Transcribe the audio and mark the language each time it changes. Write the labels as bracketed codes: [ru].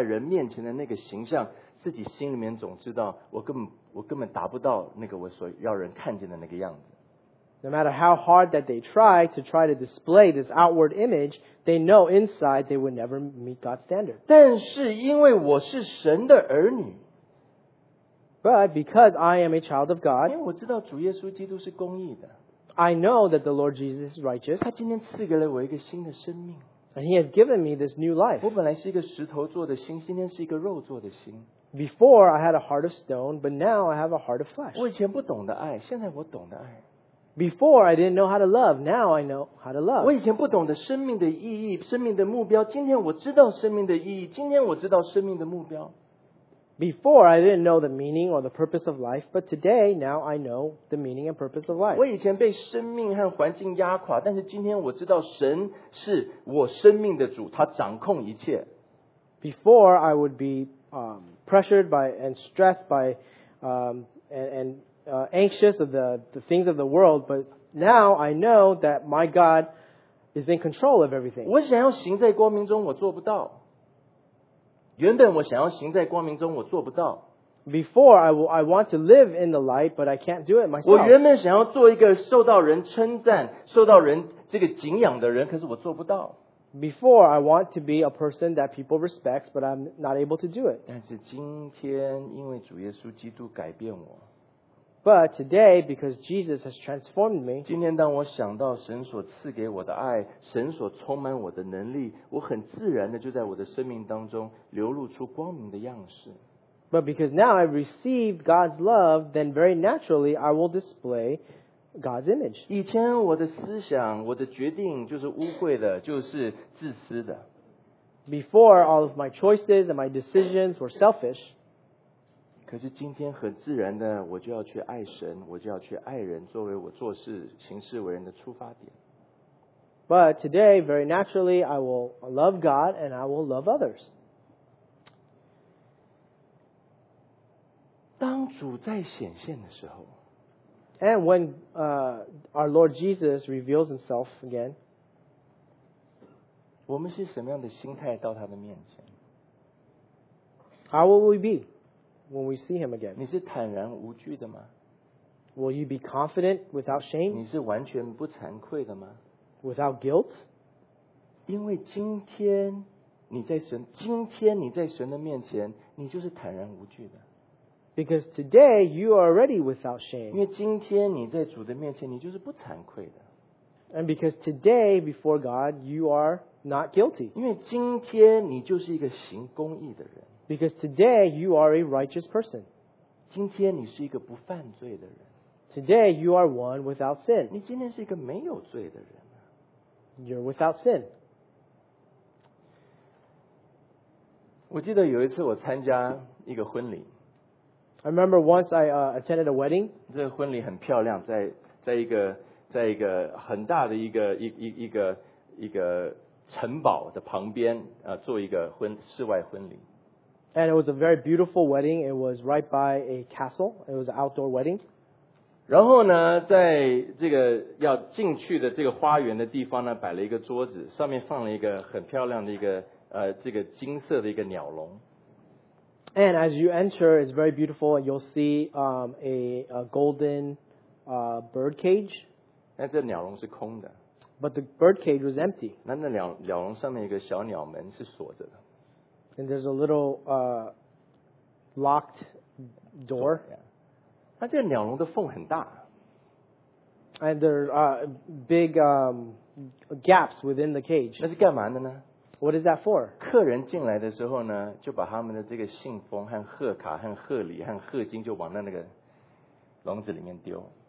[zh] 他们怎么样多么小心地塑造自己在人面前的那个形象, 自己心里面总知道, 我根本达不到那个我所要人看见的那个样子。 [en] No matter how hard that they try to display this outward image, they know inside they would never meet God's standard. [zh] 但是因为我是神的儿女, [en] but because I am a child of God, [zh] 因为我知道主耶稣基督是公义的, [en] I know that the Lord Jesus is righteous. [zh] 他今天赐给了我一个新的生命, [en] and He has given me this new life. [zh] 我本来是一个石头做的心, 今天是一个肉做的心。 [en] Before I had a heart of stone, but now I have a heart of flesh. [zh] 我以前不懂得爱, 现在我懂得爱。 [en] Before I didn't know how to love, now I know how to love. [zh] 我以前不懂得生命的意义, 生命的目标, 今天我知道生命的意义, 今天我知道生命的目标。 [en] Before I didn't know the meaning or the purpose of life, but today, now I know the meaning and purpose of life. [zh] 我以前被生命和环境压垮, 但是今天我知道神是我生命的主, 祂掌控一切。 [en] Before I would be pressured by and stressed by anxious of the things of the world, but now I know that my God is in control of everything. [zh] 我想要行在光明中我做不到。原本我想要行在光明中我做不到。 [en] Before I want to live in the light, but I can't do it myself. [zh] 我原本想要做一个受到人称赞、受到人这个敬仰的人，可是我做不到。 [en] Before I want to be a person that people respect, but I'm not able to do it. [zh] 但是今天因为主耶稣基督改变我。 [en] But today, because Jesus has transformed me, [zh] 今天当我想到神所赐给我的爱, 神所充满我的能力, 我很自然地就在我的生命当中流露出光明的样式。 [en] But because now I've received God's love, then very naturally I will display God's image. [zh] 以前我的思想, 我的决定就是污秽的, 就是自私的。 [en] Before, all of my choices and my decisions were selfish. [zh] 可是今天很自然的, 我就要去爱神, 我就要去爱人, 作为我做事, 行事为人的出发点。 [en] But today, very naturally, I will love God and I will love others. [zh] 当主再显现的时候, [en] and when our Lord Jesus reveals Himself again, [zh] 我们是什么样的心态到他的面前? [en] How will we be when we see Him again? [zh] 你是坦然无惧的吗? [en] Will you be confident without shame? [zh] 你是完全不惭愧的吗? [en] Without guilt? [zh] 因为今天你在神的面前, 你就是坦然无惧的。 [en] Because today you are already without shame. [zh] 因为今天你在主的面前，你就是不惭愧的。 [en] And because today before God you are not guilty. [zh] 因为今天你就是一个行公义的人。 [en] Because today you are a righteous person. [zh] 今天你是一个不犯罪的人。 [en] Today you are one without sin. [zh] 你今天是一个没有罪的人。 [en] You're without sin. [zh] 我记得有一次我参加一个婚礼。 [en] I remember once I attended a wedding. [zh] 这个婚礼很漂亮，在一个很大的一个城堡的旁边啊，做一个室外婚礼。 [en] And it was a very beautiful wedding. It was right by a castle. It was an outdoor wedding. [zh] 然后呢，在这个要进去的这个花园的地方呢，摆了一个桌子，上面放了一个很漂亮的一个这个金色的一个鸟笼。 [en] And as you enter, it's very beautiful. You'll see a golden bird cage. [zh] 但这鸟笼是空的。 [en] But the bird cage was empty. [zh] 那鸟笼上面有一个小鸟门是锁着的。 [en] And there's a little locked door. [zh] 那这鸟笼的缝很大。 [en] And there are big gaps within the cage. [zh] 那是干嘛的呢？ [en] What is that for? [zh] 客人进来的时候呢，就把他们的这个信封和贺卡和贺礼和贺金就往那个笼子里面丢。